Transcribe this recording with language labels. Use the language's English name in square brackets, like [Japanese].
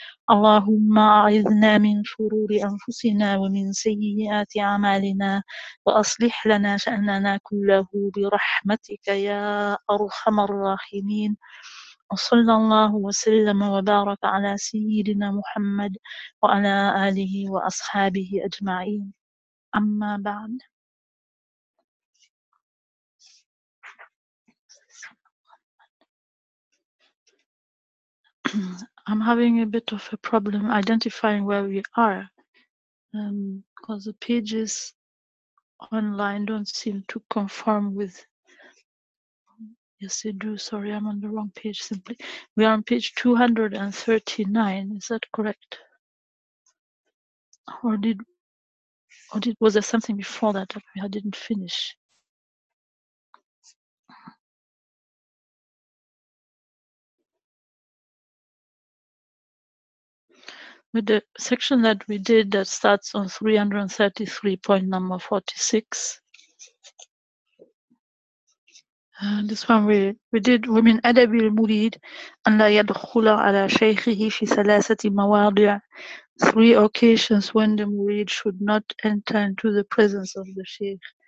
[Arabic] اللهم أعذنا من شرور أنفسنا ومن سيئات أعمالنا، وأصلح لنا شأننا كله برحمتك يا أرحم الراحمين. وصلى الله وسلم وبارك على سيدنا محمد وعلى آله وأصحابه أجمعين. أما بعد، [English] I'm having a bit of a problem identifying where we are because the pages online don't seem to conform with. Yes, they do. Sorry, I'm on the wrong page simply. We are on page 239. Is that correct? Or was there something before that that we didn't finish? With the section that we did that starts on 333 point number 46. This one we did [Arabic] ومن أدب المريد أن لا يدخل على شيخه في ثلاثة مواضيع. [English] Three occasions when the murid should not enter into the presence of the sheikh.